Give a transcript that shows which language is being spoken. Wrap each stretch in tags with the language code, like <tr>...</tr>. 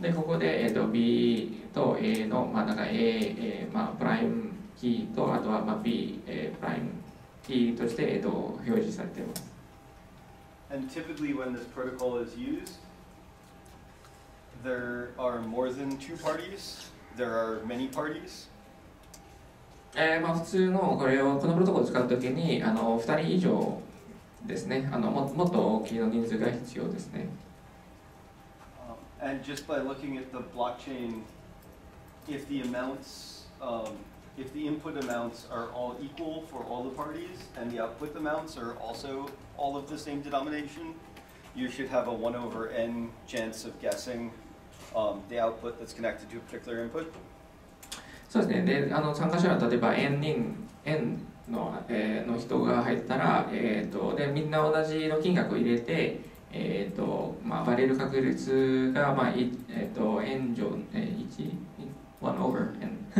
<ja>で、ここで、B と A の、まあ、なんか A、まあ、プライムキーと、あとは、まあ、B、プライムキーとして、表示されています。</ja> <en>And typically when this protocol is used, there are more than two parties, there are many parties.</en> <ja>まあ普通のこれをこのプロトコルを使うときに2人以上ですね、もっと大きいの人数が必要ですね。</ja> <en>And just by looking at the blockchain, if the amounts, if the input amounts are all equal for all the parties and the output amounts are also all of the same denomination, you should have a 1 over n chance of guessing the output that's connected to a particular input.</en> <ja>そうですね。で、参加者は例えば n 人、n の、の人が入ったら、で、みんな同じの金額を入れて、まあ、バレる確率が、まあ、n 乗、1 over n。</ja>